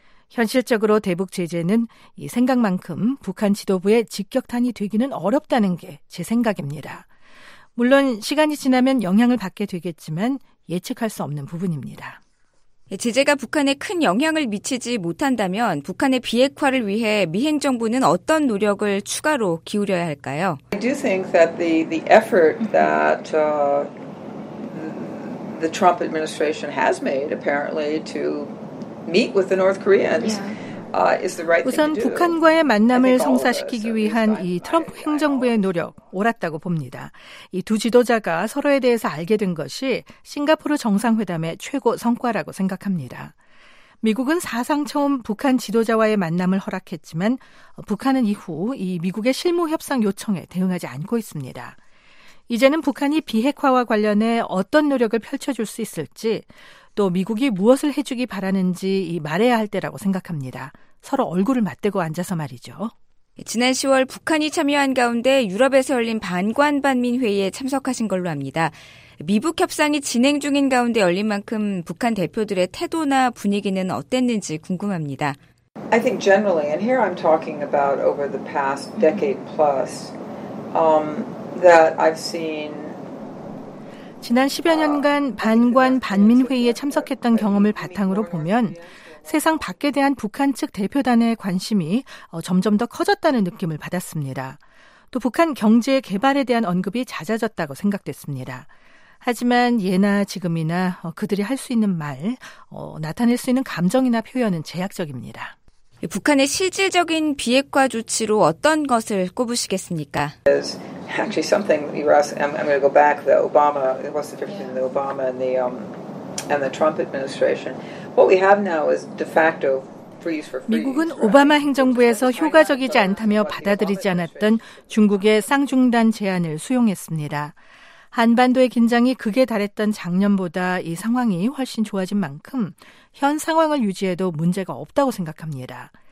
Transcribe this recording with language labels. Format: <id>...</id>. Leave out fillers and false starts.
<ko>현실적으로 대북 제재는 이 생각만큼 북한 지도부의 직격탄이 되기는 어렵다는 게 제 생각입니다. 물론 시간이 지나면 영향을 받게 되겠지만 예측할 수 없는 부분입니다. 제재가 북한에 큰 영향을 미치지 못한다면 북한의 비핵화를 위해 미 행정부는 어떤 노력을 추가로 기울여야 할까요?</ko> <en>I do think that the effort that the Trump administration has made apparently to meet with the North Koreans is the right thing to do.</en> <ko>우선 북한과의 만남을 성사시키기 위한 이 트럼프 행정부의 노력 옳았다고 봅니다. 이 두 지도자가 서로에 대해서 알게 된 것이 싱가포르 정상회담의 최고 성과라고 생각합니다. 미국은 사상 처음 북한 지도자와의 만남을 허락했지만 북한은 이후 이 미국의 실무 협상 요청에 대응하지 않고 있습니다. 이제는 북한이 비핵화와 관련해 어떤 노력을 펼쳐줄 수 있을지 또 미국이 무엇을 해주기 바라는지 말해야 할 때라고 생각합니다. 서로 얼굴을 맞대고 앉아서 말이죠. 지난 10월 북한이 참여한 가운데 유럽에서 열린 반관반민회의에 참석하신 걸로 합니다. 미북 협상이 진행 중인 가운데 열린 만큼 북한 대표들의 태도나 분위기는 어땠는지 궁금합니다.</ko> <en>I think generally, and here I'm talking about over the past decade plus, that I've seen</en> <ko>지난 10여 년간 반관 반민 회의에 참석했던 경험을 바탕으로 보면 세상 밖에 대한 북한 측 대표단의 관심이 점점 더 커졌다는 느낌을 받았습니다. 또 북한 경제 개발에 대한 언급이 잦아졌다고 생각됐습니다. 하지만 예나 지금이나 그들이 할 수 있는 말, 나타낼 수 있는 감정이나 표현은 제약적입니다. 북한의 실질적인 비핵화 조치로 어떤 것을 꼽으시겠습니까?</ko> <en>Actually, something you were asking. I'm going to go back. The Obama. What's the difference between the Obama and the Trump administration? What we have now is de facto freeze for freeze.</en> <ko>미국은 오바마 행정부에서 효과적이지 않다며 받아들이지 않았던 중국의 쌍중단 제안을 수용했습니다. 한반도의 긴장이 극에 달했던 작년보다 이 상황이 훨씬 좋아진 만큼 현 상황을 유지해도 문제가 없다고 생각합니다.</ko>